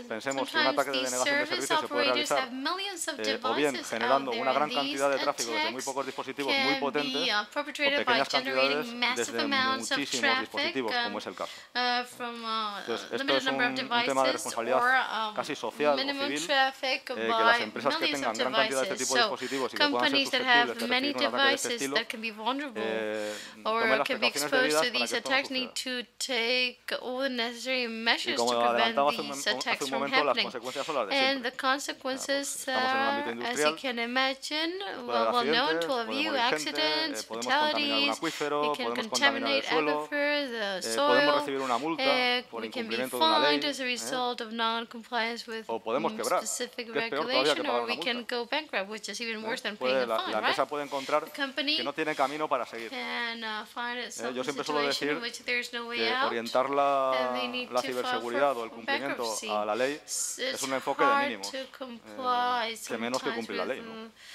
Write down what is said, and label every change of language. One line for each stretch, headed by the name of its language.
Spanish: Pensemos que un ataque de denegación de servicios se puede realizar o bien generando una gran cantidad de tráfico desde muy pocos dispositivos muy potentes o pequeñas cantidades desde muchísimos dispositivos, como es el caso. Entonces, esto es un tema de responsabilidad casi social o civil, que las empresas que tengan gran cantidad de este tipo de dispositivos y que puedan ser susceptibles de recibir un ataque de este estilo,
English: that can be vulnerable or can be exposed to these attacks need to take all the necessary measures to prevent these attacks from happening. And the consequences are, as you can imagine, well known to all of you, accidents, fatalities, you can contaminate aquifer, the soil, we can be fined as a result of non-compliance with specific regulation, or we can go bankrupt, which is even worse than paying a fine, right? The company
Spanish: que no tiene camino para seguir. Yo siempre suelo decir que orientar la ciberseguridad o el cumplimiento a la ley es un enfoque de mínimos, que menos que cumplir la ley, ¿no?